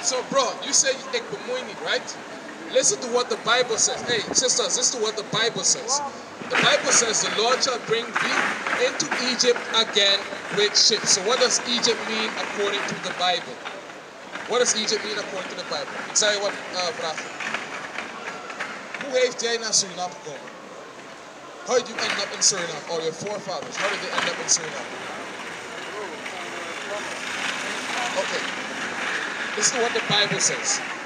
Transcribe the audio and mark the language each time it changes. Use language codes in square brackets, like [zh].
[en] So bro, you say [nl] ik bemoei niet, [en] right? Listen to what the Bible says. Hey sisters, listen to what the Bible says. The Bible says the Lord shall bring thee into Egypt again with ships. So what does Egypt mean according to the Bible? What does Egypt mean according to the Bible? [nl] Ik zei wat vraag. Hoe heeft jij naar Suriname gekomen? [en] How did you end up in Suriname? Or your forefathers, how did they end up in Suriname? Okay. This is what the Bible says.